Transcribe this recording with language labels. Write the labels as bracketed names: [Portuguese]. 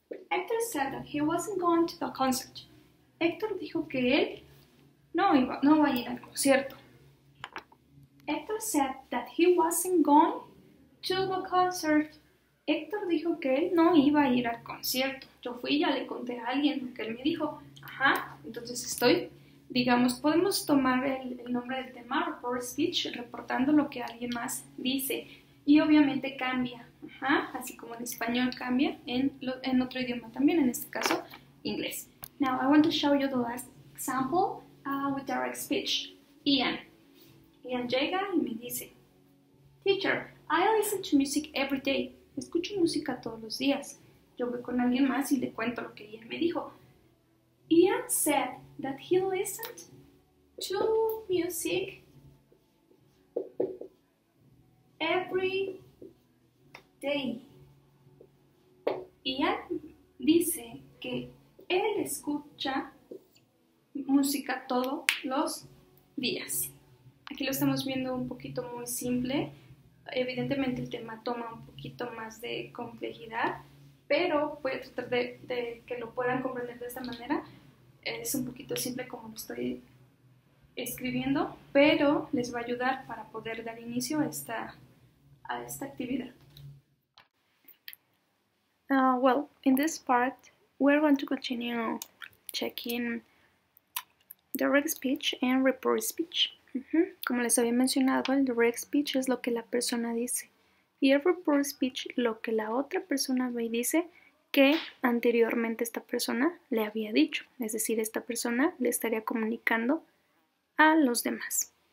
[English] Héctor said that he wasn't going to the concert. [Spanish] Héctor dijo que él no iba a ir al concierto. [English] Héctor said that he wasn't going to the concert. [Spanish] Héctor dijo que él no iba a ir al concierto. Yo fui y ya le conté a alguien lo que él me dijo. Ajá, entonces estoy, digamos, podemos tomar el nombre del tema, report speech, reportando lo que alguien más dice. Y obviamente cambia, ajá, así como en español cambia, en otro idioma también, en este caso, inglés. [English] Now, I want to show you the last example with direct speech. [Spanish] Ian. Ian llega y me dice, [English] teacher, I listen to music every day. [Spanish] Escucho música todos los días. Yo voy con alguien más y le cuento lo que Ian me dijo. [English] Ian said that he listened to music every day. [Spanish] Ian dice que él escucha música todos los días. Aquí lo estamos viendo un poquito muy simple. Evidentemente el tema toma un poquito más de complejidad, pero voy a tratar de que lo puedan comprender de esta manera. Es un poquito simple como lo estoy escribiendo, pero les va a ayudar para poder dar inicio a esta actividad. [English] Well, in this part, we're going to continue checking direct speech and report speech. [Spanish] Como les había mencionado, el direct speech es lo que la persona dice. Y el report speech, lo que la otra persona ve y dice que anteriormente esta persona le había dicho. Es decir, esta persona le estaría comunicando a los demás.